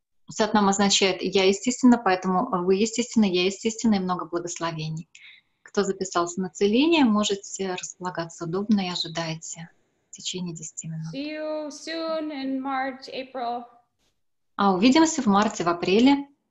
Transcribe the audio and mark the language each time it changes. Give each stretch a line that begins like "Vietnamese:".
Russian: Сатнам означает «я естественно», поэтому вы естественно, я естественно, и много благословений. Кто записался на целение, можете располагаться удобно и ожидайте в течение 10 минут.
English: See you soon in March, April.
Russian: А увидимся в марте, в апреле.